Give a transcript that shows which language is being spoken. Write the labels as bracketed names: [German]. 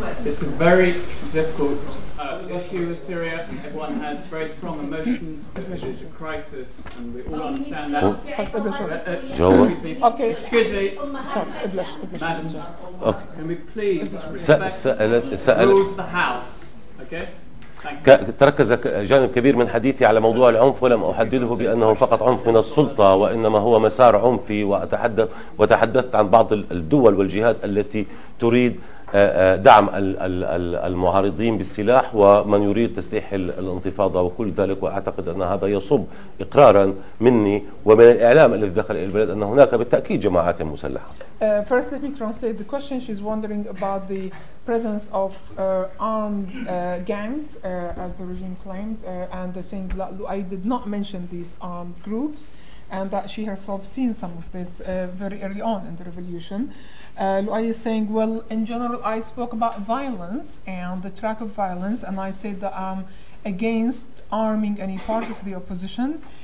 [English] It's a very difficult issue with Syria. Everyone has very strong emotions. It is a crisis, and we all understand that. Okay. Excuse me. Stop. Madam. Okay. Can we please respect the rules of the House? Okay. [Arabic] تركز جانب كبير من حديثي على موضوع العنف ولم أحدده بأنه فقط عنف من السلطة وإنما هو مسار عنفي وتحدثت عن بعض الدول والجهات التي تريد دعم المعارضين بالسلاح ومن يريد تسليح الانتفاضة وكل ذلك وأعتقد أن هذا يصب إقرارا مني ومن الإعلام الذي دخل إلى البلد أن هناك بالتأكيد جماعات مسلحة. [English] First let me translate the question. She's wondering about the presence of armed gangs as the regime claims and the saying I did not mention these armed groups and that she herself seen some of this very early on in the revolution. Louay is saying, well, in general, I spoke about violence and the track of violence, and I said that I'm against arming any part of the opposition.